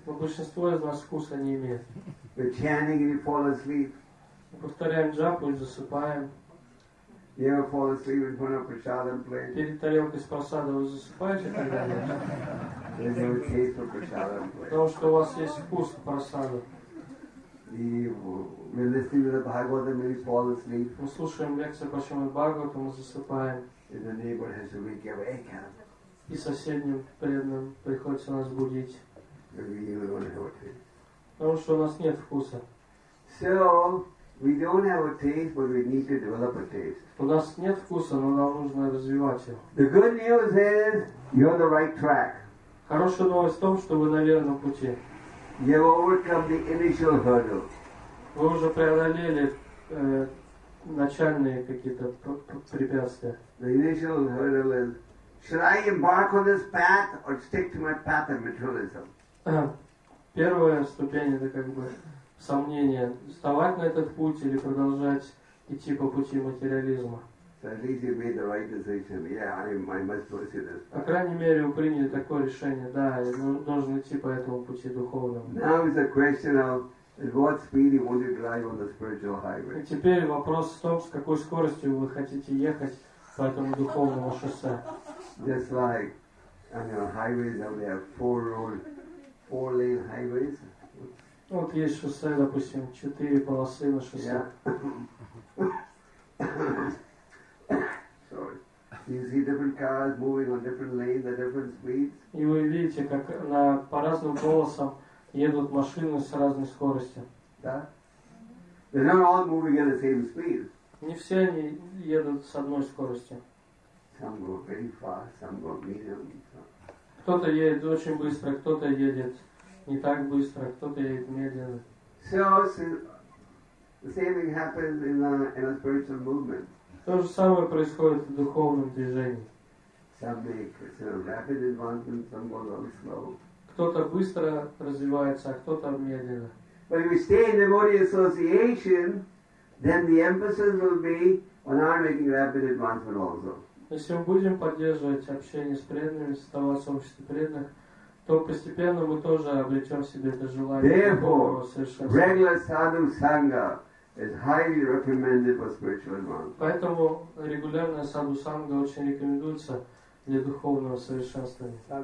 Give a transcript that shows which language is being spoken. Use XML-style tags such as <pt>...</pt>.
<ru>Большинство из нас вкуса не имеет.</ru> <en>We're chanting and you fall asleep.</en> <ru>Мы повторяем джапу и засыпаем.</ru> <en>You ever fall asleep in front of prasadam plate?</en> <ru>Перед тарелкой с прасадом вы засыпаете когда-нибудь?</ru> <en>There's no taste for prasadam plate.</en> <ru>Потому что у вас есть вкус прасада.</ru> <en>We listen to the Bhagavatam and we fall asleep.</en> <ru>Мы слушаем лекцию по Шримад-Бхагаватам, мы засыпаем.</ru> <en>And the neighbor has to wake up.</en> <ru>И соседним преданным приходится нас будить. Потому что у нас нет вкуса.</ru> <en>So we don't have a taste, but we need to develop a taste.</en> <ru>У нас нет вкуса, но нам нужно развивать его.</ru> <en>The good news is you're on the right track.</en> <ru>Хорошая новость в том, что вы на верном пути.</ru> <en>You've overcome the initial hurdle.</en> <ru>Вы уже преодолели начальные какие-то препятствия.</ru> <en>The initial hurdle is, should I embark on this path or stick to my path of materialism?</en> <ru>Первая ступень это как бы сомнение, вставать на этот путь или продолжать идти по пути материализма.</ru> <en>So at least you made the right decision. Yeah, I must pursue this.</en> <ru>По крайней мере, вы приняли такое решение. Да, я должен идти по этому пути духовному.</ru> <en>Now is a question of at what speed you want to drive on the spiritual highway.</en> <ru>И теперь вопрос в том, с какой скоростью вы хотите ехать по этому духовному шоссе.</ru> <en>just like on the highways, and there are four lane highways.</en> <ru>Вот есть шоссе, допустим, четыре полосы на шоссе.</ru> <en>Sorry. You see different cars moving on different lanes at different speeds.</en> <ru>И вы видите, как на по разным полосам едут машины с разной скоростью. Да?</ru> <en>They're not all moving at the same speed.</en> <ru>Не все они едут с одной скоростью.</ru> <en>Some go very fast, some go medium.</en> <ru>Кто-то едет очень быстро, кто-то едет не так быстро, кто-то едет медленно.</ru> <en>So, the same thing happens in a spiritual movement.</en> <ru>То же самое происходит в духовном движении.</ru> <en>Some make some rapid advancement, some go very slow.</en> <ru>Кто-то быстро развивается, а кто-то медленно.</ru> <en>But if we stay in devotee association, then the emphasis will be on our making rapid advancement also.</en> <ru>Если мы будем поддерживать общение с преданными, оставаться в обществе преданных, то постепенно мы тоже обретем себе это желание.</ru> <en>Therefore, regular sadhu sangha is highly recommended for spiritual advancement.</en> <ru>Поэтому регулярная саду санга очень рекомендуется для духовного совершенствования.</ru>